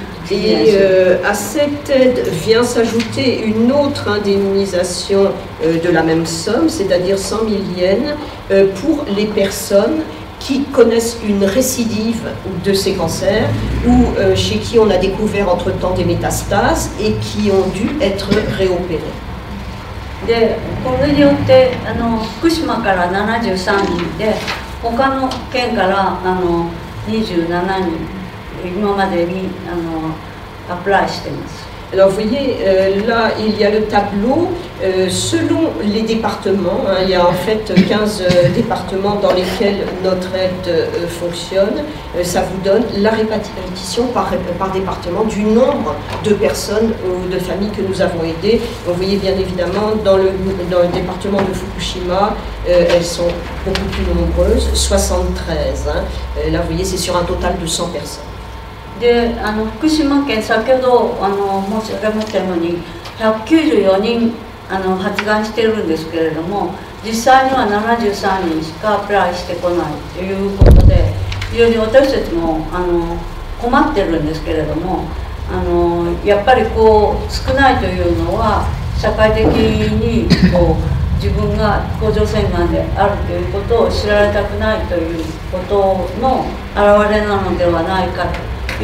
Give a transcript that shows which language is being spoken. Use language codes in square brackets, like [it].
[fr] Et à cette aide vient s'ajouter une autre indemnisation de la même somme, c'est-à-dire 100 000 yens pour les personnes qui connaissent une récidive de ces cancers ou chez qui on a découvert entre-temps des métastases et qui ont dû être réopérées. [ja] で、これによってあの福島から73人で他の県からあの27人今までにあのアプライしてます。 [fr] Alors, vous voyez, là, il y a le tableau selon les départements. Hein, il y a en fait 15 départements dans lesquels notre aide fonctionne. Ça vous donne la répartition par département du nombre de personnes ou de familles que nous avons aidées. Vous voyez, bien évidemment, dans le département de Fukushima, elles sont beaucoup plus nombreuses, 73. Hein. Là, vous voyez, c'est sur un total de 100 personnes. [ja] であの福島県、先ほどあの申し上げましたように194人あの発がんしているんですけれども実際には73人しかアプライしてこないということで非常に私たちもあの困っているんですけれどもあのやっぱりこう少ないというのは社会的にこう自分が甲状腺がんであるということを知られたくないということの表れなのではないかと。